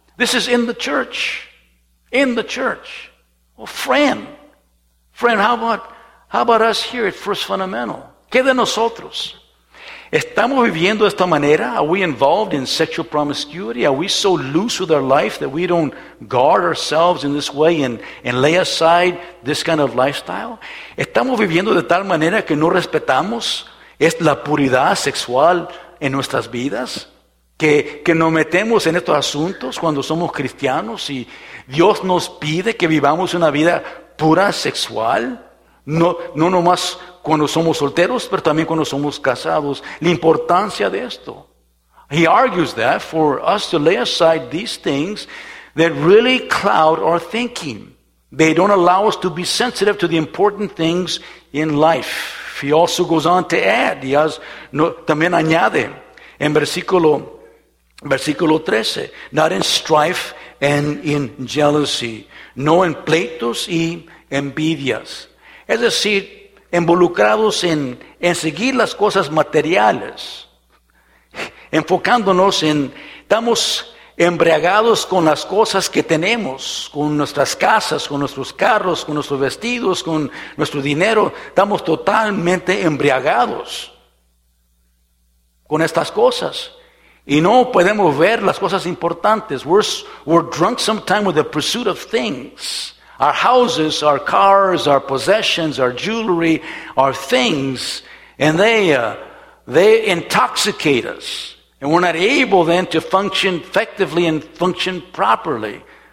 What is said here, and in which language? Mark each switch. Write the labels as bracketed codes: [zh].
[en] This is in the church. In the church. Well, friend, how about us here at First Fundamental? [es] ¿Qué de nosotros? ¿Estamos viviendo de esta manera? [en] ¿Are we involved in sexual promiscuity? ¿Are we so loose with our life that we don't guard ourselves in this way and lay aside this kind of lifestyle? [es] ¿Estamos viviendo de tal manera que no respetamos la puridad sexual en nuestras vidas? ¿Que nos metemos en estos asuntos cuando somos cristianos y Dios nos pide que vivamos una vida pura sexual? No nomás cuando somos solteros, pero también cuando somos casados. La importancia de esto. [en] He argues that for us to lay aside these things that really cloud our thinking. They don't allow us to be sensitive to the important things in life. He also goes on to add, [es] también añade, en versículo 13, [en] not in strife and in jealousy, [es] no en pleitos y envidias. Es decir, involucrados en seguir las cosas materiales, enfocándonos en, estamos embriagados con las cosas que tenemos, con nuestras casas, con nuestros carros, con nuestros vestidos, con nuestro dinero, estamos totalmente embriagados con estas cosas. Y no podemos ver las cosas importantes. [en] We're drunk sometimes with the pursuit of things. Our houses, our cars, our possessions, our jewelry, our things, and they intoxicate us. And we're not able then to function effectively and function properly.